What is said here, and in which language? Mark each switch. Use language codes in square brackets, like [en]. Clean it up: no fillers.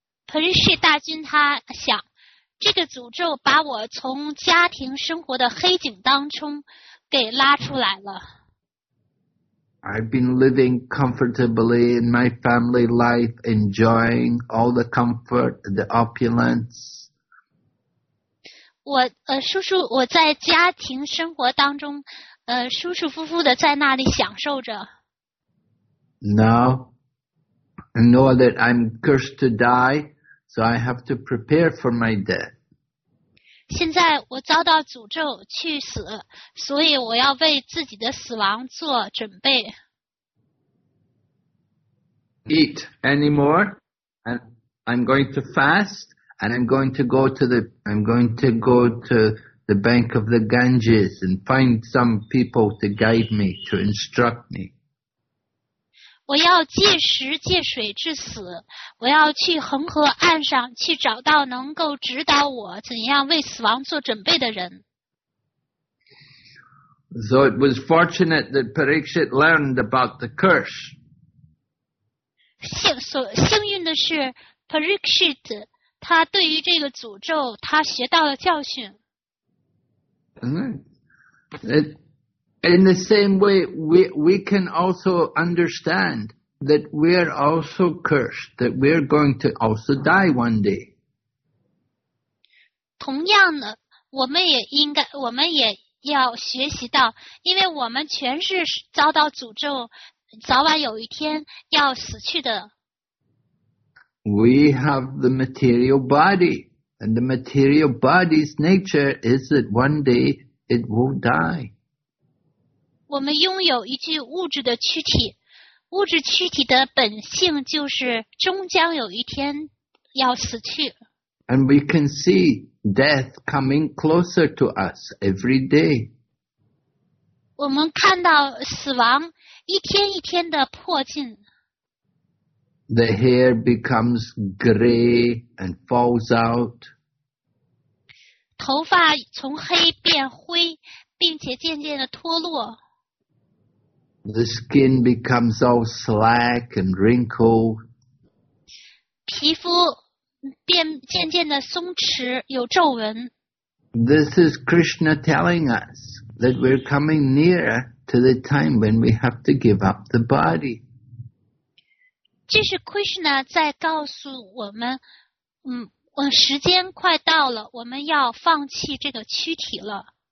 [zh] Parikshit 大君他想，这个诅咒把我从家庭生活的黑井当中给拉出来了。 [en] I've been living comfortably in my family life, enjoying all the comfort, the opulence. [zh] 我在家庭生活当中，舒舒服服的在那里享受着。 [en] Now, I know that I'm cursed to die, so I have to prepare for my death. [zh] 现在我遭到诅咒去死，所以我要为自己的死亡做准备。 [en] Eat anymore, and I'm going to fast. And I'm going to go to the bank of the Ganges and find some people to guide me, to instruct me. [zh] 我要戒食戒水至死，我要去恒河岸上去找到能够指导我怎样为死亡做准备的人。 [en] So it was fortunate that Parikshit learned about the curse. [zh] 幸运的是 Parikshit他对于这个诅咒，他学到了教训。 [en] In the same way, we can also understand that we are also cursed, that we are going to also die one day. [zh] 同样的，我们也要学习到，因为我们全是遭到诅咒，早晚有一天要死去的。 [en] We have the material body, and the material body's nature is that one day it will die. [zh] 我们拥有一具物质的躯体，物质躯体的本性就是终将有一天要死去。 [en] And we can see death coming closer to us every day. [zh] 我们看到死亡一天一天的迫近。 [en] The hair becomes gray and falls out. [zh] 头发从黑变灰，并且渐渐的脱落。 [en] The skin becomes all slack and wrinkled. [zh] 皮肤变渐渐的松弛，有皱纹。 [en] This is Krishna telling us that we're coming nearer to the time when we have to give up the body. [zh] 这是 Krishna 在告诉我们，时间快到了，我们要放弃这个躯体了。